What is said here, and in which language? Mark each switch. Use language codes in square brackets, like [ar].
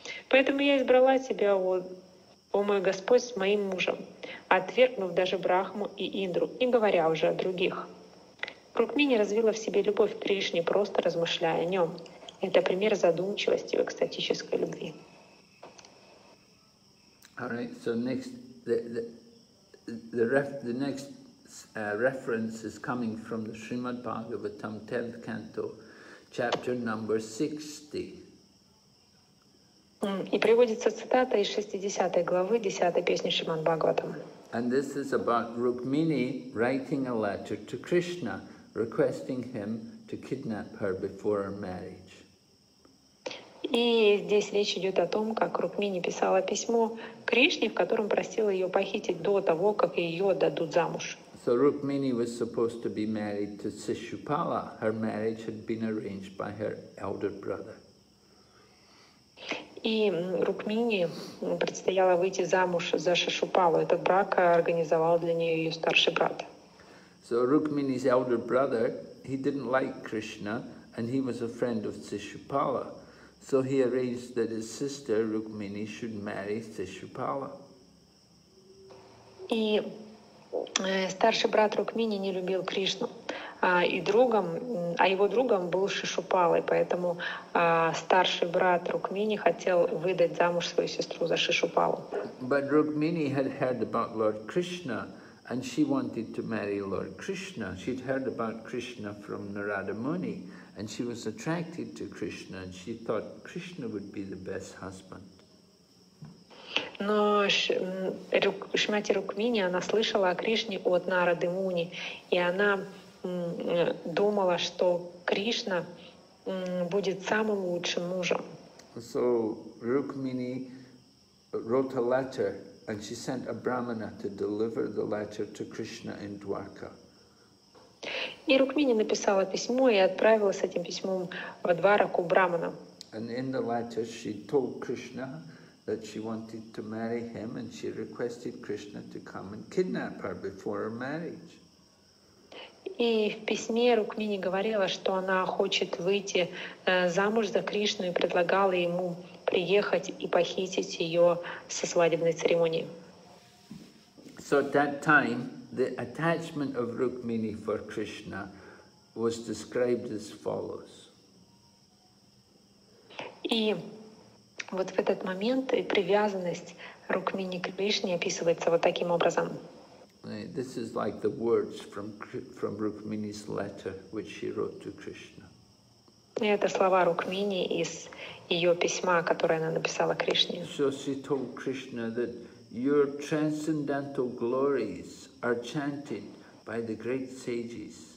[ru] Поэтому я избрала Тебя, о мой Господь, с моим мужем, отвергнув даже Брахму и Индру, не говоря уже о других. Рукмини развила в себе любовь к Кришне, просто размышляя о нем. Это пример задумчивости в экстатической любви. [en] All right, so next, the next reference is coming from the Srimad Bhagavatam, 10th canto, chapter number 60. [ru] И приводится цитата из 60 главы 10 песни Шримад Бхагаватам. [en] And this is about Rukmini writing a letter to Krishna, requesting him to kidnap her before her marriage. [ru] И здесь речь идет о том, как Рукмини писала письмо Кришне, в котором просила ее похитить до того, как ее дадут замуж. [en] So Rukmini was supposed to be married to Sishupala. Her marriage had been arranged by her elder brother. [ru] И Рукмини предстояло выйти замуж за Шишупалу. Этот брак организовал для нее ее старший брат. [en] So Rukmini's elder brother, he didn't like Krishna, and he was a friend of Sishupala. So he arranged that his sister Rukmini should marry Sishupala. [ru] И старший брат Рукмини не любил Кришну, и другом, а его другом был Шишупала, и поэтому старший брат Рукмини хотел выдать замуж свою сестру за Шишупалу. [en] But Rukmini had heard about Lord Krishna, and she wanted to marry Lord Krishna. She'd heard about Krishna from Narada Muni, and she was attracted to Krishna, and she thought Krishna would be the best husband. [ru] Но Шмати Рукмини, она слышала о Кришне от Нарады Муни, и она думала, что Кришна будет самым лучшим мужем. [en] So Rukmini wrote a letter, and she sent a brahmana to deliver the letter to Krishna in Dwarka. [ru] И Рукмини написала письмо и отправила с этим письмом в Двараку брахмана. [en] And in the letter she told Krishna that she wanted to marry him, and she requested Krishna to come and kidnap her before her marriage. [ru] И в письме Рукмини говорила, что она хочет выйти замуж за Кришну и предлагала ему приехать и похитить ее со свадебной церемонии. [en] So at that time, the attachment of Rukmini for Krishna was described as follows. [ru] И вот в этот момент и привязанность Рукмини к Кришне описывается вот таким образом. [en] This is like the words from Rukmini's letter, which she wrote to Krishna. [ru] Это слова Рукмини из ее письма, которое она написала Кришне. [en] So she told Krishna that your transcendental glories are chanted by the great sages.